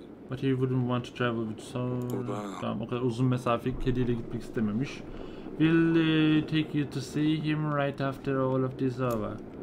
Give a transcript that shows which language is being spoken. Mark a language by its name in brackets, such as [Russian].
[English] But he wouldn't want to travel with so... [Turkish] Tamam, o kadar uzun mesafeyi kediyle gitmek istememiş. [English] We'll take you to see him right after all of this over.